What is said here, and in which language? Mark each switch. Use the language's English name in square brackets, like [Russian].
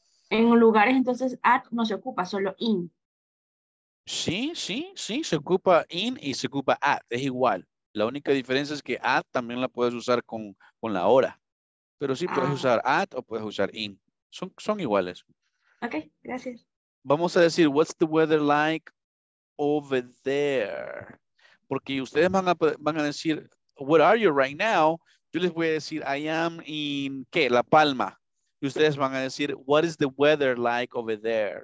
[Spanish] En lugares, entonces, at no se ocupa, solo in. Sí, sí, sí. Se ocupa in y se ocupa at. Es igual. La única diferencia es que at también la puedes usar con la hora. Pero sí puedes usar at o puedes usar in. Son iguales. Ok, gracias. Vamos a decir, [English] what's the weather like over there? [Spanish] Porque ustedes van a decir, [English] where are you right now? [Spanish] Yo les voy a decir, [English] I am in, [Spanish] ¿qué? La Palma. Y ustedes van a decir, [English] what is the weather like over there?